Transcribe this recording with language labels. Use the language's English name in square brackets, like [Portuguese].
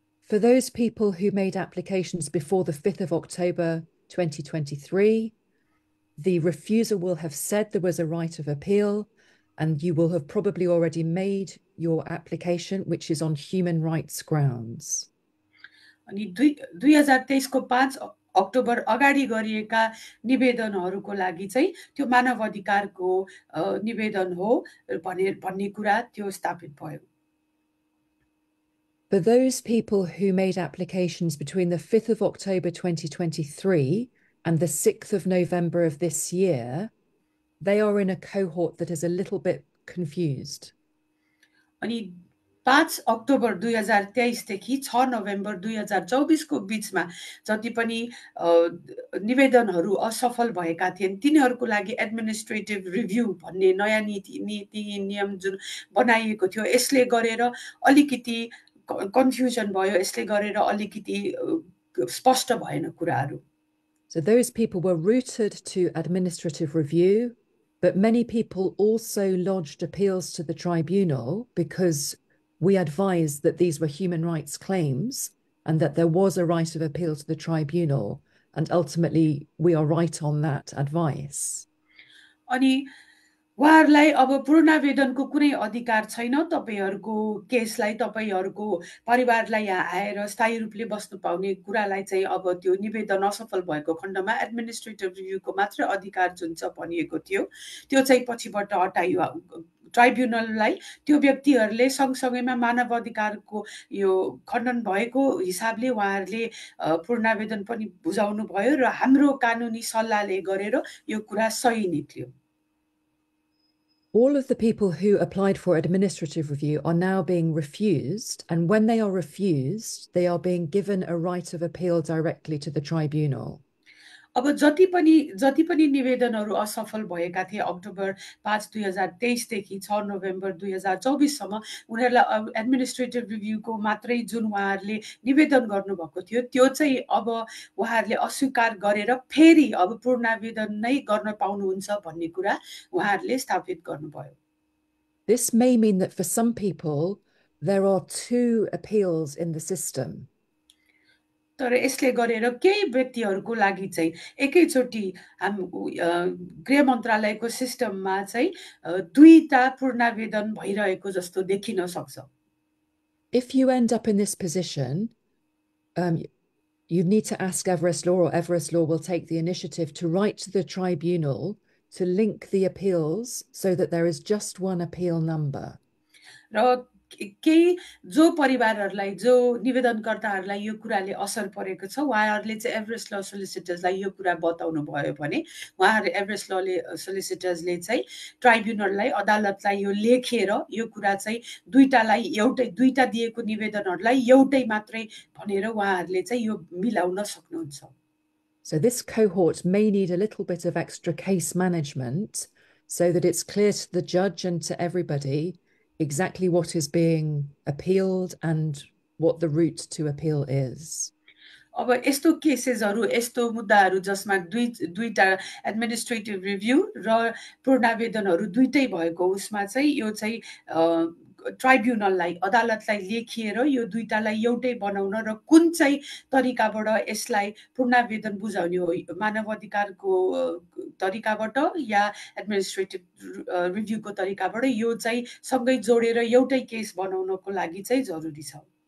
[English] For those people who made applications before the 5th of October 2023, the refuser will have said there was a right of appeal, and you will have probably already made your application, which is on human rights grounds. [Nepali] अनि 2023 को 5 October अगाडि गरिएका निवेदनहरूको लागि चाहिँ त्यो मानव अधिकारको निवेदन हो भन्ने कुरा त्यो स्थापित भयो। [English] For those people who made applications between the 5th of October 2023 and the 6th of November of this year, they are in a cohort that is a little bit confused. [Nepali] अनि 5 अक्टोबर 2023 देखि 6 November 2024 को बिचमा जति पनि निवेदनहरू असफल भएका थिए तिनीहरूको लागि एडमिनिस्ट्रेटिभ रिभ्यू भन्ने नयाँ नीति नियम जुन बनाइएको थियो यसले गरेर अलिकति कन्फ्युजन भयो, यसले गरेर अलिकति स्पष्ट भएन कुराहरू। [English] So those people were routed to administrative review, but many people also lodged appeals to the tribunal because we advised that these were human rights claims and that there was a right of appeal to the tribunal. And ultimately, we are right on that advice. [Nepali] अनि उहाँहरूलाई अब पुनरावेदनको कुनै अधिकार छैन, तपाईँहरूको केसलाई तपाईँहरूको परिवारलाई यहाँ आएर स्थायी रूपले बस्नु पाउने कुरालाई चाहिँ अब त्यो निवेदन असफल भएको खण्डमा एडमिनिस्ट्रेटिभ रिभ्यूको मात्र अधिकार जुन छ भनिएको थियो त्यो चाहिँ पछिबाट हटाइयो। ट्राइब्युनललाई त्यो व्यक्तिहरूले सँगसँगैमा मानव अधिकारको यो खण्डन भएको हिसाबले उहाँहरूले पुनरावेदन पनि बुझाउनु भयो र हाम्रो कानुनी सल्लाहले गरेर यो कुरा सही निक्लियो। [English] All of the people who applied for administrative review are now being refused, and when they are refused, they are being given a right of appeal directly to the tribunal. [Nepali] अब जति पनि निवेदनहरू असफल भएका थिए अक्टोबर 5, 2023 देखि 6 November 2024 सम्म उनीहरूलाई administrative रिभ्यूको मात्रै जुन उहाँहरूले निवेदन गर्नुभएको थियो त्यो चाहिँ अब उहाँहरूले अस्वीकार गरेर फेरि अब पुनरावेदन नै गर्न पाउनुहुन्छ भन्ने कुरा उहाँहरूले स्थापित गर्नुभयो। [English] This may mean that for some people, there are two appeals in the system. [Nepali] तर यसले गरेर केही व्यक्तिहरूको लागि चाहिँ एकैचोटि हाम गृह मन्त्रालयको सिस्टममा चाहिँ दुईटा पुनरावेदन भइरहेको जस्तो देखिन सक्छ। [English] If you end up in this position, you need to ask Everest Law, or Everest Law will take the initiative to write to the tribunal to link the appeals so that there is just one appeal number. [Nepali] र केही जो परिवारहरूलाई जो निवेदनकर्ताहरूलाई यो कुराले असर परेको छ उहाँहरूले चाहिँ एभरेस्ट ल सोलिसिटर्सलाई यो कुरा बताउनु भयो भने उहाँहरू एभरेस्ट लले सोलिसिटर्सले चाहिँ ट्राइब्युनललाई अदालतलाई यो लेखेर यो कुरा चाहिँ दुईटालाई एउटै दुईटा दिएको निवेदनहरूलाई एउटै मात्रै भनेर उहाँहरूले चाहिँ यो मिलाउन सक्नुहुन्छ। [English] So this cohort may need a little bit of extra case management so that it's clear to the judge and to everybody exactly what is being appealed and what the route to appeal is. [Nepali] अब यस्तो केसेसहरू यस्तो मुद्दाहरू जसमा दुई दुईटा administrative review र प्रणावेदनहरू दुइटै भएको उसमा चाहिँ यो चाहिँ ट्राइब्युनललाई अदालतलाई लेखिएर यो दुईटालाई एउटै बनाउन र कुन चाहिँ तरिकाबाट यसलाई पूर्णावेदन बुझाउने हो मानव अधिकारको तरिकाबाट या एडमिनिस्ट्रेटिभ रिभ्यूको तरिकाबाट यो चाहिँ सँगै जोडेर एउटै केस बनाउनको लागि चाहिँ जरुरी छ।